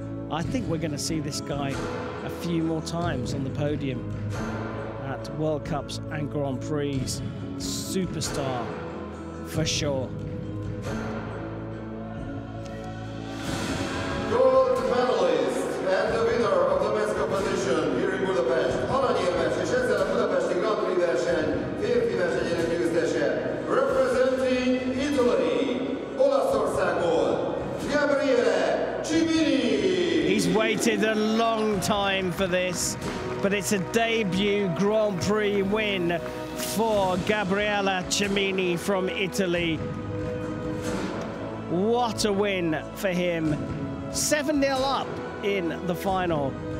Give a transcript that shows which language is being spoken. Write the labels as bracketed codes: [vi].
[en] I think we're going to see this guy a few more times on the podium at World Cups and Grand Prix. Superstar for sure. Gold medalist and the winner of the men's competition here in Budapest. [hu] Aranyérmes és ezzel a budapesti Grand Prix verseny férfi versenyének győztese. [en] Representing Italy, [hu] Olaszországból, [en] Gabriele Cibini. He's waited a long time for this, but it's a debut Grand Prix win for Gabriele Cimini from Italy. What a win for him. 7-0 up in the final.